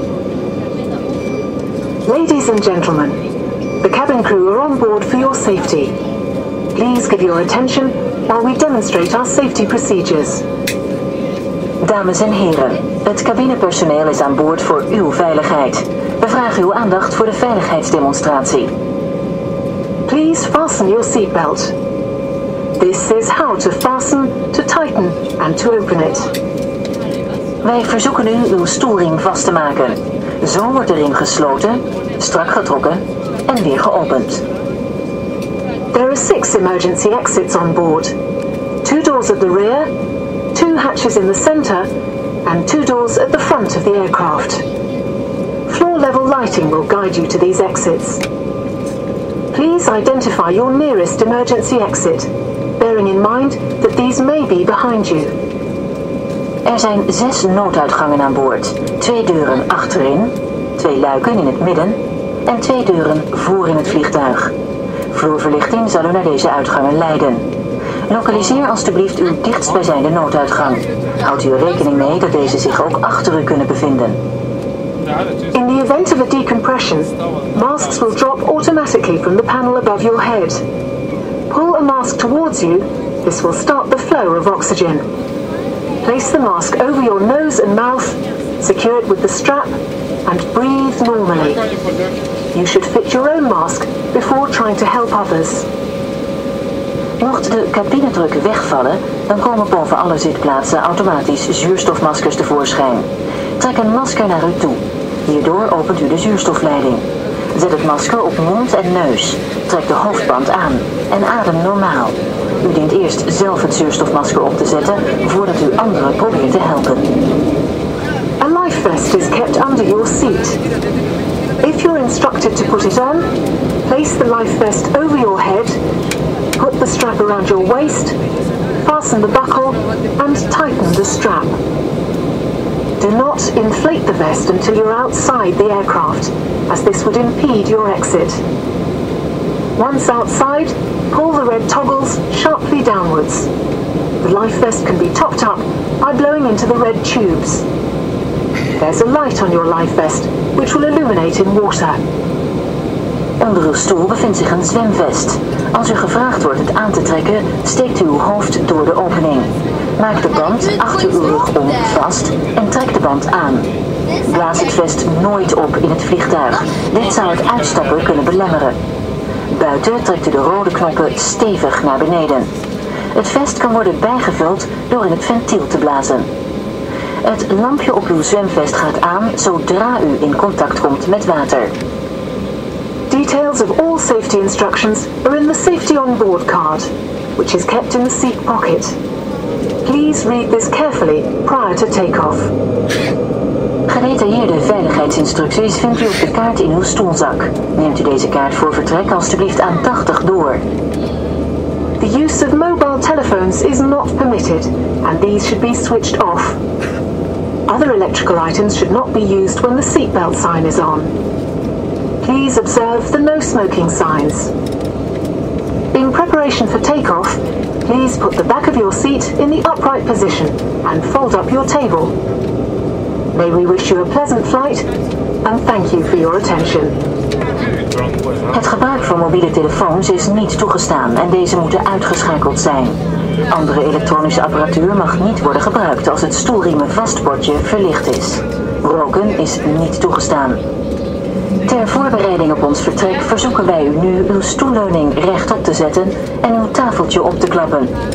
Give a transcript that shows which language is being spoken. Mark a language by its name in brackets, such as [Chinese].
[English] Ladies and gentlemen, the cabin crew are on board for your safety. Please give your attention while we demonstrate our safety procedures. [Dutch] Dames en heren, het cabinepersoneel is aan boord voor uw veiligheid. We vragen uw aandacht voor de veiligheidsdemonstratie. [English] Please fasten your seatbelt. This is how to fasten, to tighten and to open it. [Dutch] Wij verzoeken u uw stoelriem vast te maken. Zo wordt de riem gesloten, strak getrokken en weer geopend. [English] There are 6 emergency exits on board. 2 doors at the rear, 2 hatches in the center, and 2 doors at the front of the aircraft. Floor level lighting will guide you to these exits. Please identify your nearest emergency exit, bearing in mind that these may be behind you. [Dutch] Er zijn 6 nooduitgangen aan boord. 2 deuren achterin, 2 luiken in het midden en 2 deuren voor in het vliegtuig. Vloerverlichting zal u naar deze uitgangen leiden. Lokaliseer alstublieft uw dichtstbijzijnde nooduitgang. Houdt u er rekening mee dat deze zich ook achter u kunnen bevinden. [English] In the event of a decompression, masks will drop automatically from the panel above your head. Pull a mask towards you, this will start the flow of oxygen. Place the mask over your nose and mouth, secure it with the strap, and breathe normally. You should fit your own mask before trying to help others. [Dutch] Mocht de cabinedruk wegvallen, dan komen boven alle zitplaatsen automatisch zuurstofmaskers tevoorschijn. Trek een masker naar u toe. Hierdoor opent u de zuurstofleiding. Zet het masker op mond en neus. Trek de hoofdband aan en adem normaal. U dient eerst zelf het zuurstofmasker op te zetten voordat u anderen probeert te helpen. [English] A life vest is kept under your seat. If you're instructed to put it on, place the life vest over your head, put the strap around your waist, fasten the buckle and tighten the strap. Do not inflate the vest until you're outside the aircraft, as this would impede your exit. Once outside, pull the red toggles sharply downwards. The life vest can be topped up by blowing into the red tubes. There's a light on your life vest, which will illuminate in water. [Dutch] Onder uw stoel bevindt zich een zwemvest. Als u gevraagd wordt het aan te trekken, steekt u uw hoofd door de opening. Maak de band achter uw rug om vast en trek de band aan. Blaas het vest nooit op in het vliegtuig. Dit zou het uitstappen kunnen belemmeren. Buiten trekt u de rode knoppen stevig naar beneden. Het vest kan worden bijgevuld door in het ventiel te blazen. Het lampje op uw zwemvest gaat aan zodra u in contact komt met water. [English] Details of all safety instructions are in the safety on board card, which is kept in the seat pocket. Please read this carefully prior to takeoff. [Dutch] Gedetailleerde veiligheidsinstructies vindt u op de kaart in uw stoelzak. Neemt u deze kaart voor vertrek alstublieft aandachtig door. [English] The use of mobile telephones is not permitted and these should be switched off. Other electrical items should not be used when the seatbelt sign is on. Please observe the no smoking signs. In preparation for takeoff, please put the back of your seat in the upright position and fold up your table. May we wish you a pleasant flight and thank you for your attention. [Dutch] Het gebruik van mobiele telefoons is niet toegestaan en deze moeten uitgeschakeld zijn. Andere elektronische apparatuur mag niet worden gebruikt als het stoelriemenvastbordje verlicht is. Roken is niet toegestaan. Ter voorbereiding op ons vertrek verzoeken wij u nu uw stoelleuning rechtop te zetten en uw tafeltje op te klappen.